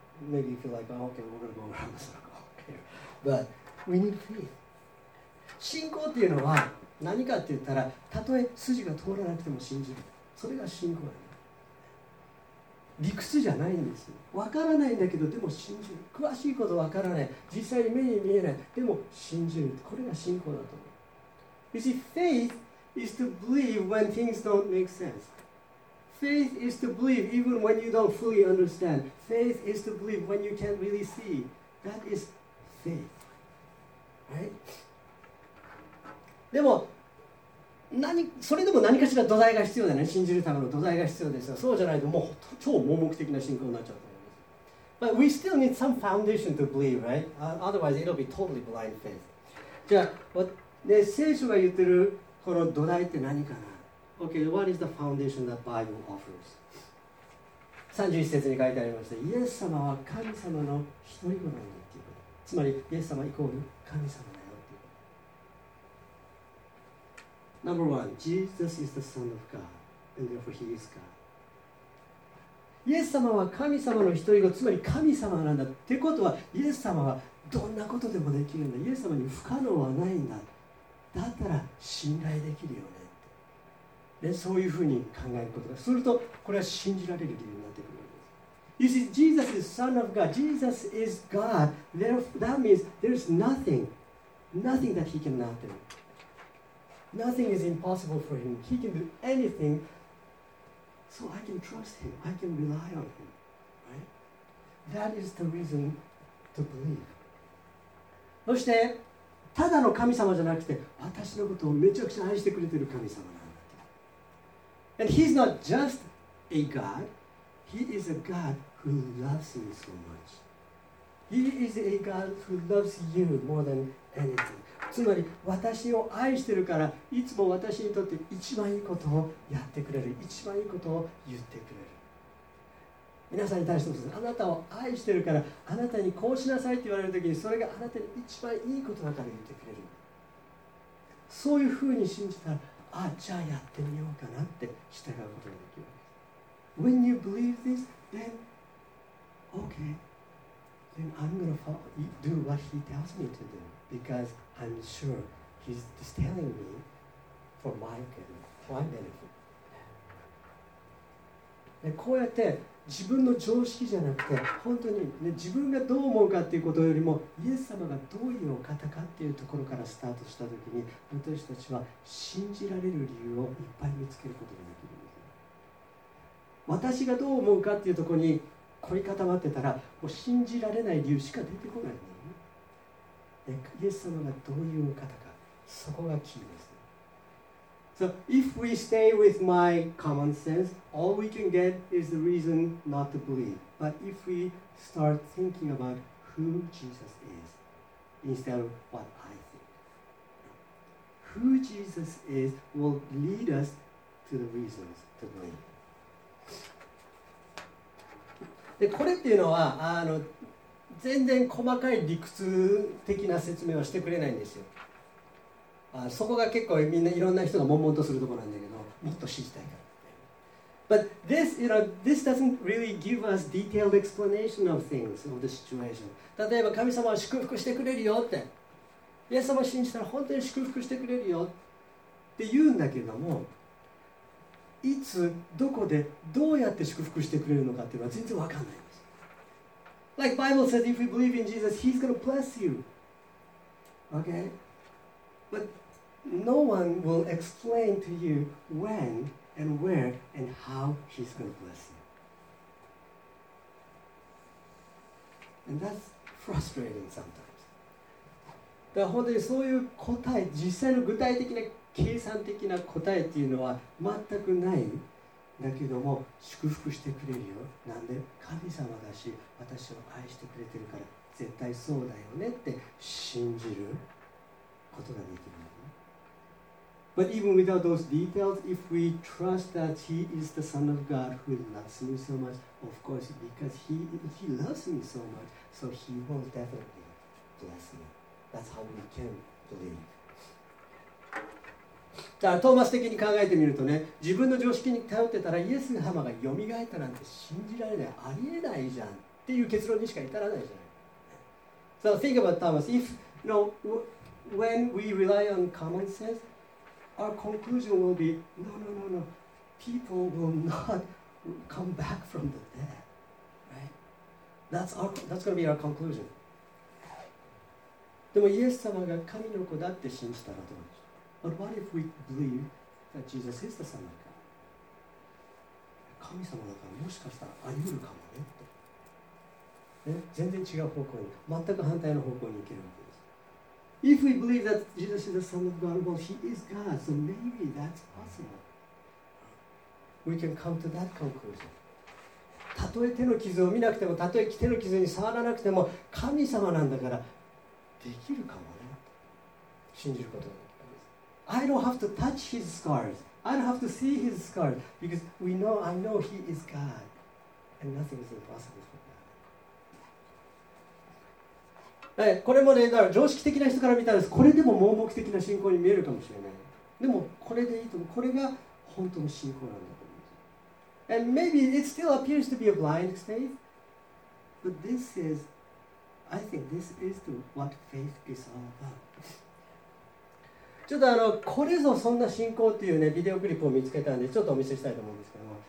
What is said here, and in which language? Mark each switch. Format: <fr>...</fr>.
<en>Maybe you feel like, oh, okay, we're going to go around the circle. But we need faith.</en> <ja>信仰っていうのは何かって言ったら、たとえ筋が通らなくても信じる。それが信仰だね。理屈じゃないんですよ。わからないんだけど、でも信じる。詳しいことわからない。実際に目に見えない。でも信じる。これが信仰だと思う。</ja> <en>You see, faith is to believe when things don't make sense. Faith is to believe even when you don't fully understand. Faith is to believe when you can't really see. That is faith. Right?</en> <ja>でも、何それでも何かしら土台が必要だよね。信じるための土台が必要ですよ。そうじゃないともう超盲目的な信仰になっちゃうと思います。</ja> <en>But we still need some foundation to believe, right? Otherwise, it'll be totally blind faith.</en> <ja>じゃあ、ね、聖書が言ってるこの土台って何かな。</ja> <en>Okay, what is the foundation that Bible offers?</en> <ja>31節に書いてありました。イエス様は神様の一人子なんだっていうこと。つまりイエス様イコール神様。</ja> <en>Number one, Jesus is the Son of God, and therefore He is God.</en> <ja>イエス様は神様の一人子、つまり神様なんだ。ってことは、イエス様はどんなことでもできるんだ。イエス様に不可能はないんだ。だったら信頼できるよねって。で、そういうふうに考えることが、すると、これは信じられる理由になってくるんです。</ja> <en>You see, Jesus is Son of God. Jesus is God. Therefore, that means there's nothing, nothing that He cannot do. Nothing is impossible for him. He can do anything. So I can trust him. I can rely on him. Right? That is the reason to believe.</en> <ja>そして、ただの神様じゃなくて、私のことをめちゃくちゃ愛してくれてる神様なんだ。</ja> <en>And he's not just a God. He is a God who loves me so much. He is a God who loves you more than anything.</en> <ja>つまり私を愛してるからいつも私にとって一番いいことをやってくれる、一番いいことを言ってくれる。皆さんに対してもあなたを愛してるからあなたにこうしなさいって言われるときにそれがあなたに一番いいことだから言ってくれる。そういうふうに信じたら、あ、じゃあやってみようかなって従うことができる。</ja> <en>When you believe this, then okay, then I'm gonna follow, do what he tells me to do becauseI'm sure he's telling me for my benefit.</en> <ja>でこうやって自分の常識じゃなくて本当に、ね、自分がどう思うかっていうことよりもイエス様がどういうお方かっていうところからスタートしたときに私たちは信じられる理由をいっぱい見つけることができるんです。私がどう思うかっていうところに凝り固まってたらもう信じられない理由しか出てこない。イエス様がどういう方か、そこがキーです。</ja> <en>So if we stay with my common sense, all we can get is the reason not to believe. But if we start thinking about who Jesus is, instead of what I think, who Jesus is will lead us to the reasons to believe.</en> <ja>で、これっていうのは、全然細かい理屈的な説明はしてくれないんですよ。そこが結構みんないろんな人が悶々とするところなんだけど、もっと知りたいから。</ja> <en>But this, you know, this doesn't really give us detailed explanation of things, of the situation.</en> <ja>例えば神様は祝福してくれるよって。イエス様を信じたら本当に祝福してくれるよって言うんだけども、いつ、どこで、どうやって祝福してくれるのかっていうのは全然わかんない。</ja> <en>Like Bible says, if we believe in Jesus, He's going to bless you. Okay? But no one will explain to you when and where and how He's going to bless you. And that's frustrating sometimes.</en> <ja>だから本当にそういう答え、実際の具体的な計算的な答えっていうのは全くない。だけども祝福してくれるよ。なんで神様だし私を愛してくれてるから絶対そうだよねって信じることができる。</ja> <en>But even without those details, if we trust that He is the Son of God who loves me so much, of course, because He loves me so much, so He will definitely bless me. That's how we can believe.</en> <ja>だからトーマス的に考えてみるとね、自分の常識に頼ってたらイエス様がよみがえったなんて信じられない、ありえないじゃんっていう結論にしか至らないじゃん。</ja> <en>So think about Thomas. If, you know, when we rely on common sense, our conclusion will be no, no, no, no. People will not come back from the dead. Right? That's going to be our conclusion.</en> <ja>でもイエス様が神の子だって信じたらどうでしょう。</ja> <en>But what if we believe that Jesus is the Son of God?</en> <ja>神様だからもしかしたらあり得るかもねって。ね、全然違う方向に、全く反対の方向に行けるわけです。</ja> <en>If we believe that Jesus is the Son of God, well, He is God, so maybe that's possible. We can come to that conclusion.</en> <ja>たとえ手の傷を見なくても、たとえ手の傷に触らなくても、神様なんだからできるかもね。信じることができるんです。</ja> <en>I don't have to touch His scars. I don't have to see His scars because we know, I know He is God, and nothing is impossible.</en> <ja>これもね、だから常識的な人から見たらこれでも盲目的な信仰に見えるかもしれない。でもこれでいいと思う。これが本当の信仰なんだと思う。</ja> <en>And maybe it still appears to be a blind faith, but this is, I think this is the, what faith is all about.</en> <ja>ちょっとこれぞそんな信仰っていうね、ビデオクリップを見つけたんで、ちょっとお見せしたいと思うんですけども。</ja>